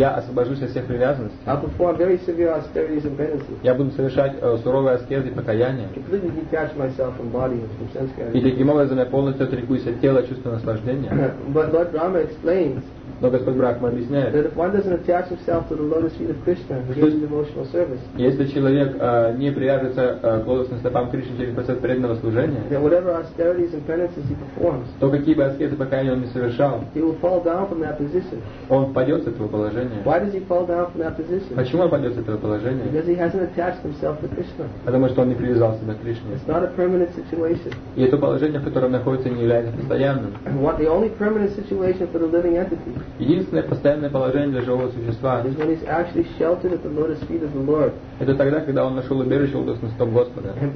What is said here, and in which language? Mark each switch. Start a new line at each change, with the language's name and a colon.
Russian: Я освобожусь от всех привязанностей.
English: I'll perform very severe austerities and penances.
Russian: Я буду совершать суровые аскезы и покаяния.
English: Completely detach myself from body and from sense gratification.
Russian: И таким образом я полностью отрекусь от тела чувства наслаждения.
English: But Lord Brahma explains.
Russian: Но Господь Брахма объясняет,
English: that if one doesn't attach himself to the lotus feet of Krishna, engaging devotional service,
Russian: если человек не привяжется к лотосным стопам Кришны через процесс преданного служения,
English: then whatever austerities and penances he performs,
Russian: то какие бы аскезы покаяния он не совершал,
English: he will fall down from that position.
Russian: Он падет с этого положения.
English: Why does he fall down from that position?
Russian: Почему он падет с этого положения?
English: Because he hasn't attached himself to Krishna.
Russian: Потому что он не привязал себя к Кришне.
English: It's not a permanent situation.
Russian: И это положение, в котором находится, не является постоянным.
English: What the only permanent situation for the living entity?
Russian: Единственное постоянное положение для живого существа это тогда, когда он нашел убежище лотосных стоп Господа.